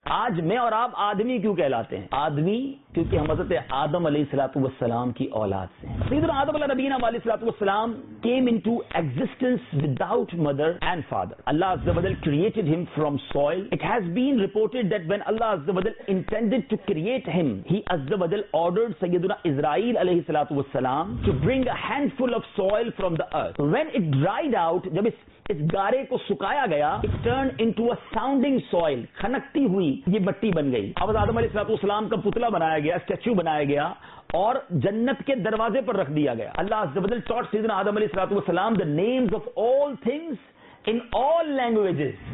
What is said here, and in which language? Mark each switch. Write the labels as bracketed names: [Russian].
[Urdu] آج میں اور آپ آدمی کیوں کہلاتے ہیں؟ آدمی کیونکہ ہم حضرت آدم علیہ الصلوۃ والسلام کی اولاد سے ہیں. [English] سیدنا آدم علیہ نبینا علیہ الصلوۃ والسلام came into existence without mother and father. Allah عز و جل created him from soil. It has been reported that when Allah عز و جل intended to create him, he عز و جل ordered سیدنا اسرائیل علیہ الصلوۃ والسلام to bring a handful of soil from the earth. When it dried out, [Urdu] جب اس گارے کو سکایا گیا, [English] it turned into a sounding soil, [Urdu] کھنکتی ہوئی یہ مٹی بن گئی. اب آدم علیہ الصلوۃ والسلام کا پتلا بنایا گیا, اسٹیچو بنایا گیا اور جنت کے دروازے پر رکھ دیا گیا. [English] اللہ عز و جل taught سیدنا آدم علیہ الصلوۃ والسلام the names of all things in all languages.